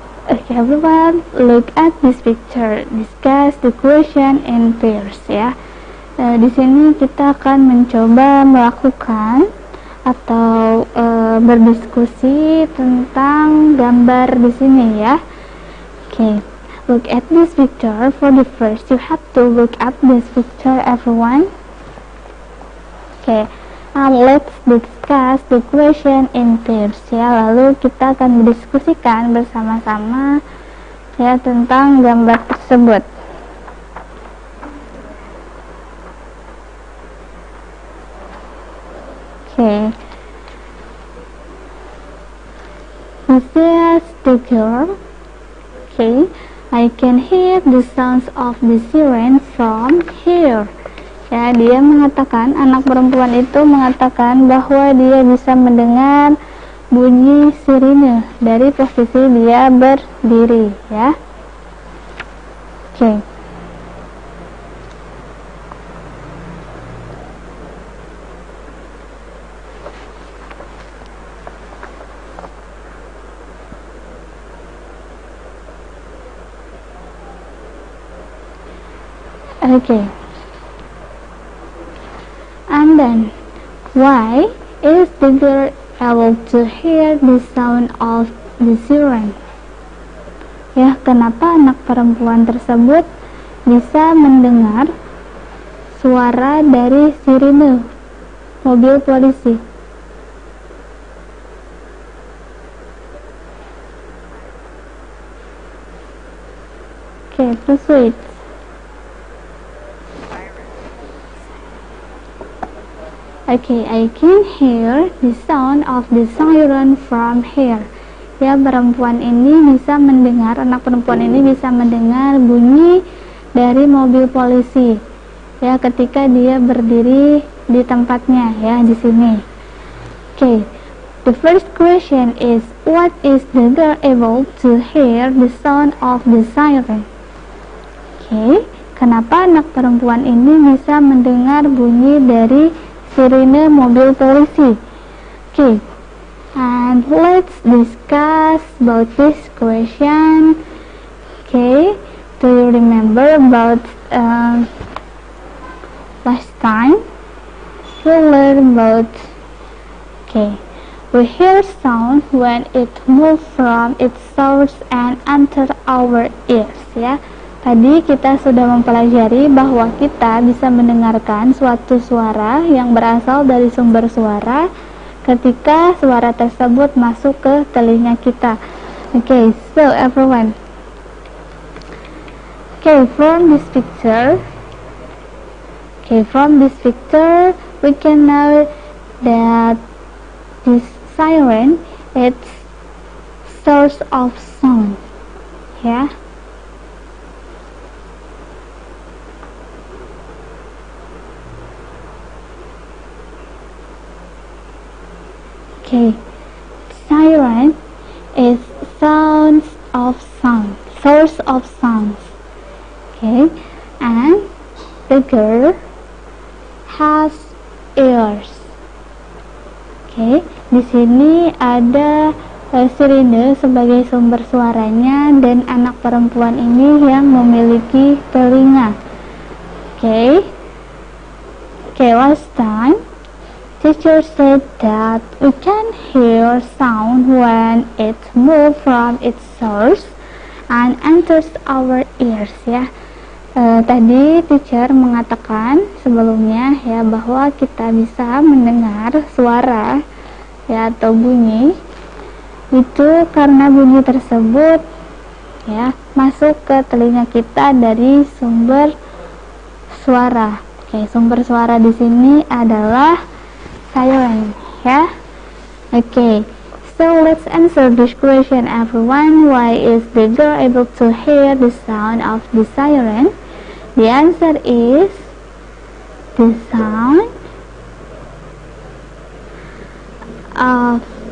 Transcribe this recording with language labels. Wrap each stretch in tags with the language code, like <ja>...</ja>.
<en>Okay, everyone, look at this picture. Discuss the question in pairs.</en> <id>Ya, di sini kita akan mencoba melakukan atau berdiskusi tentang gambar di sini, ya.</id> <en>Okay, look at this picture. For the first, you have to look at this picture, everyone. Okay. Let's discuss the question in pairs, ya.</en> <id>Lalu kita akan mendiskusikan bersama-sama, ya, tentang gambar tersebut.</id> <en>Okay. This picture. Okay. I can hear the sounds of the siren from here.</en> <id>Ya, dia mengatakan, anak perempuan itu mengatakan bahwa dia bisa mendengar bunyi sirine dari posisi dia berdiri, ya.</id> <en>Okay. Okay. And then, why is the girl able to hear the sound of the siren?</en> <id>Ya, kenapa anak perempuan tersebut bisa mendengar suara dari sirine mobil polisi?</id> <en>Oke, proceed. Okay, I can hear the sound of the siren from here.</en> <id>Ya, perempuan ini bisa mendengar, anak perempuan ini bisa mendengar bunyi dari mobil polisi. Ya, ketika dia berdiri di tempatnya, ya, di sini.</id> <en>Okay, the first question is, what is the girl able to hear the sound of the siren?</en> <id>Okay, kenapa anak perempuan ini bisa mendengar bunyi dari sirine mobil polisi?</id> <en>Okay, and let's discuss about this question. Okay, do you remember about last time we learned about? Okay, we hear sound when it moves from its source and enter our ears.</en> <id>Ya, tadi kita sudah mempelajari bahwa kita bisa mendengarkan suatu suara yang berasal dari sumber suara ketika suara tersebut masuk ke telinga kita.</id> <en>Okay, so everyone. Okay, from this picture, we can know that this siren, it's source of sound. Yeah. Okay, siren is sounds of sound, source of sounds. Okay, and the girl has ears.</en> <id>Okay, di sini ada sirine sebagai sumber suaranya dan anak perempuan ini yang memiliki telinga.</id> <en>Okay, last time teacher said that we can hear sound when it moves from its source and enters our ears.</en> <id>Ya, tadi teacher mengatakan sebelumnya ya bahwa kita bisa mendengar suara ya atau bunyi itu karena bunyi tersebut ya masuk ke telinga kita dari sumber suara. Oke, sumber suara di sini adalah siren, ya.</id> <en>Okay, so let's answer this question, everyone. Why is the girl able to hear the sound of the siren? The answer is the sound of.</en>